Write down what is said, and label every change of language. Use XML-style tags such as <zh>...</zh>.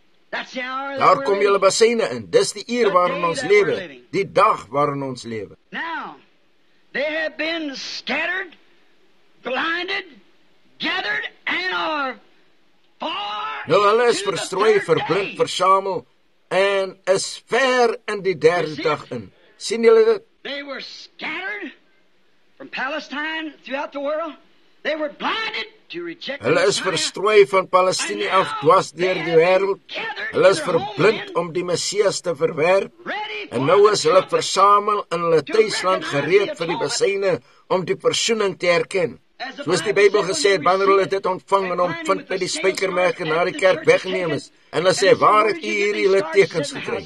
<af>Daar kom julle basyne in, dis die uur waarin ons lewe, die dag waarin ons lewe.</af> <en>Now, they have been scattered, blinded, gathered and are far.</en> <af>Nou, hulle is verstrooi, verblind, versamel en is ver in die derde dag in. Sien julle dit?</af> <en>They were scattered from Palestine throughout the world. They were blinded to reject.</en> <af>Hulle is verstrooi van Palestina af dwars deur die wêreld. Hulle is verblind om die Messias te verwerp. En nou is hulle versamel in hulle tuisland gereed vir die basyne om die versoening te herken. Soos die Bybel gesê het, wanneer hulle dit ontvang en hom vind by die spykermerk en na die kerk weggeneem is, en hulle sê, waar het u hierdie tekens gekry?</af>